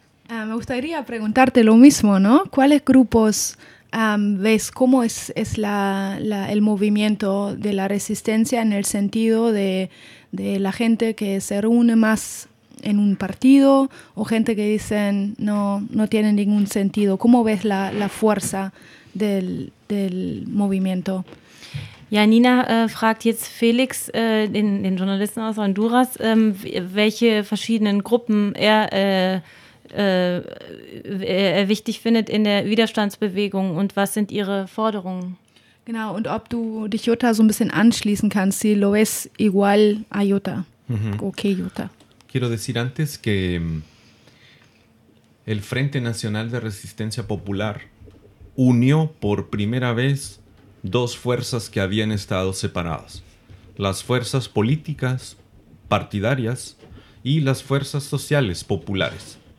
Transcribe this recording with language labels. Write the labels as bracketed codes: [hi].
[es] Me gustaría preguntarte lo mismo, ¿no? ¿Cuáles grupos ves, cómo es el movimiento de la resistencia en el sentido de la gente que se reúne más en un partido o gente que dicen no tiene ningún sentido? ¿Cómo ves la fuerza del movimiento? [de] Janina fragt jetzt Felix, den Journalisten aus Honduras, welche verschiedenen Gruppen er wichtig findet in der Widerstandsbewegung und was sind ihre Forderungen? Genau, und ob du dich Jutta so ein bisschen anschließen kannst, [es] si lo ves igual a Jutta. Mm-hmm. Okay, Jutta. Quiero decir antes que el Frente Nacional de Resistencia Popular unió por primera vez dos fuerzas que habían estado separadas. Las fuerzas políticas partidarias y las fuerzas sociales populares.